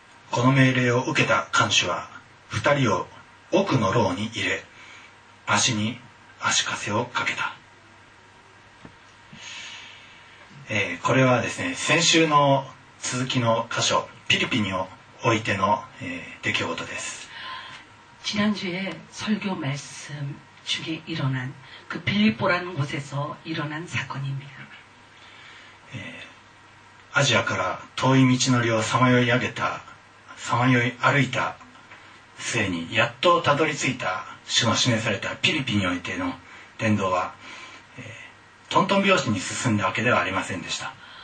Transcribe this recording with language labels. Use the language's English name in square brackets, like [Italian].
[Japanese] この命令を受けた看守は二人を奥の牢に入れ、足に足かせをかけた。これはですね、先週の続きの箇所、ピリピにおいての、出来事です。 [Korean] 지난주에설교말씀중에일어난그빌립보라는곳에서일어난사건입니다 [Japanese] 아시아から遠い道のりをさまよい上げた、さまよい歩いた末にやっとたどり着いた主の示されたピリピにおいての伝道は、トントン拍子に進んだわけではありませんでした。